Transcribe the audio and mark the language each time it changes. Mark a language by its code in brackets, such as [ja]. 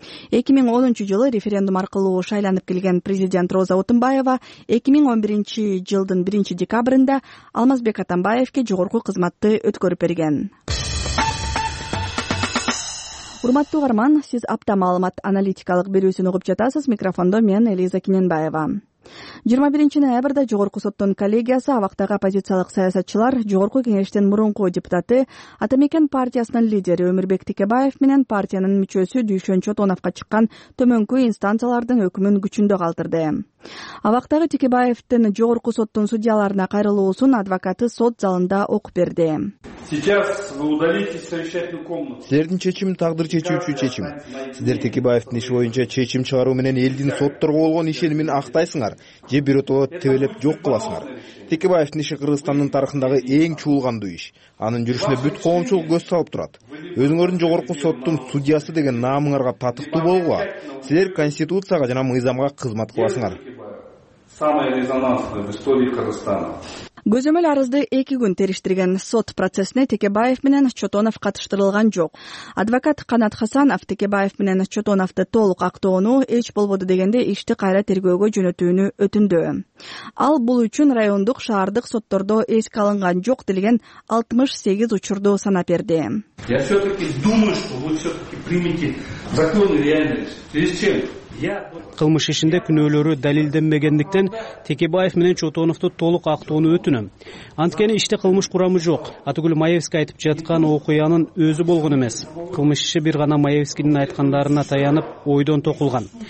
[ky] 2010 жылы референдум аркылуу шайланып келген президент Роза Отунбаева 2011 жылдын 1 декабрында Алмазбек Атамбаевке жогорку кызматты өткөрүп берген. Урматтуу карман, сиз апта маалымат аналитикалык берүүсүн угуп жатасыз. Микрофондо мен Элиза Кененбаева. 21 ноябрда Жогорку соттун коллегиясы абактагы оппозициялык саясатчылар, Жогорку кеңештин мурунку депутаты, Атамекен партиясынын лидери Өмүрбек Текебаев менен партиянын мүчөсү Дүйшөнчө Тоновко чыккан төмөнкү инстанциялардын өкүмүн күчүндө калтырды. Абактагы Текебаевтин Жогорку соттун судьяларына кайрылуусун адвокаты сот залында окуп берди. Силердин чечим тагдыр чечүүчү чечим. Силер Текебаевдин иши боюнча чечим чыгаруу менен элдин сотторго болгон ишенимин актайсыңар же бир отоо тебелеп жок кыласыңар. Текебаевдин иши Кыргызстандын тарыхындагы эң чуулгандуу иш. Анын жүрүшүнө бүт коомчулук көз салып турат. Өзүңөрдүн жогорку соттун судьясы деген наамыңарга татыктуу болгула. Силер конституцияга жана мыйзамга кызмат кыласыңар. [ru] Самый резонансный в истории Казахстана. [ky] Көзөмөл арызды 2 күн териштирген сот процессине Текебаев менен Чотонов катыштырылган жок. Адвокат Канат Хасанов Текебаев менен Чотоновду толук актоону эч болбоду дегенде ишти кайра тергөөгө жөнөтүүнү өтүндү. Ал бул үчүн райондук, шаардык соттордо эске алынган жок делген 68 учурду санап берди. [ru] Я всё-таки думаю, что вы всё-таки примите законы реальные. Прежде чем [ky] кылмыш ишинде күнөөлөрү далилденбегендиктен Текебаев менен Чотоновду толук актоону өтүнөм. Анткени иште кылмыш курамы жок. Атыгүл Маевский айтып жаткан окуянын өзү болгон эмес. Кылмыш иши бир гана Маевскийдин айткандарына таянып ойдон токулган.